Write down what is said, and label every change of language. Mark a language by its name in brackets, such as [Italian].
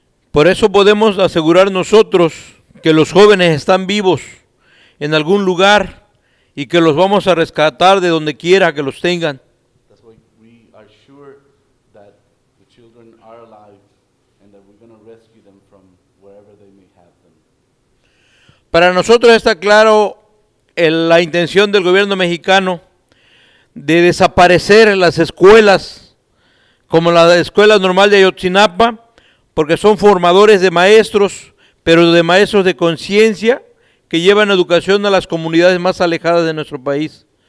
[Spanish] Por eso podemos asegurar nosotros que los jóvenes están vivos en algún lugar y que los vamos a rescatar de donde quiera que los tengan. [English] That's why we are sure that the children are alive and that we're going to rescue them from wherever they may have them. [Spanish] Para nosotros está claro la intención del gobierno mexicano de desaparecer las escuelas como la escuela normal de Ayotzinapa, porque son formadores de maestros, pero de maestros de conciencia que llevan educación a las comunidades más alejadas de nuestro país.